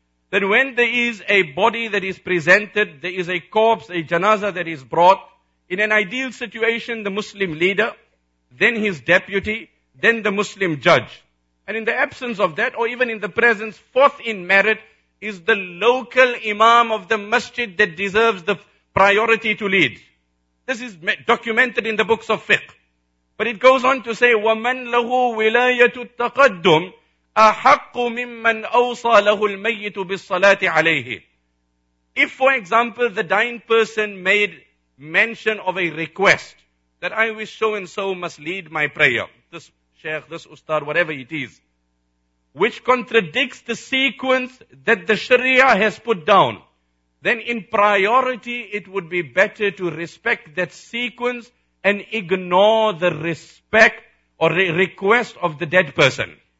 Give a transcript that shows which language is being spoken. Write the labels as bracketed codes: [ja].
[en] Then when there is a body that is presented, there is a corpse, a janazah that is brought, in an ideal situation, the Muslim leader, then his deputy, then the Muslim judge. And in the absence of that, or even in the presence, fourth in merit, is the local imam of the masjid that deserves the priority to lead. This is documented in the books of fiqh. But it goes on to say, [ar] وَمَنْ لَهُ وِلَايَةُ التَّقَدُّمْ أَحَقُّ مِمَّنْ أَوْصَى لَهُ الْمَيِّتُ بِالصَّلَاةِ عَلَيْهِ. [en] If, for example, the dying person made mention of a request, that I wish so-and-so must lead my prayer, this sheikh, this ustad, whatever it is, which contradicts the sequence that the sharia has put down, then in priority, it would be better to respect that sequence and ignore the respect or request of the dead person.